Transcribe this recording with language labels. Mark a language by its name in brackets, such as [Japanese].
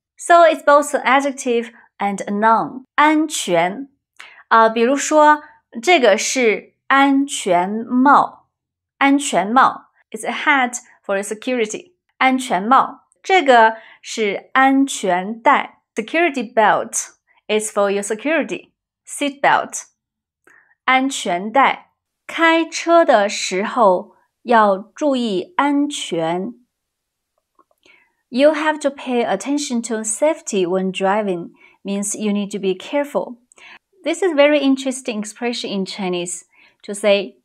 [English] So it's both an adjective and a noun. [Chinese] 安全，比如说，这个是安全帽。安全帽 [English] is a hat for security. [Chinese] 安全帽，这个是安全带。 [English] Security belt is for your security. Seat belt. [Chinese] 安全带。开车的时候要注意安全。 [English] You have to pay attention to safety when driving means you need to be careful. This is a very interesting expression in Chinese to say.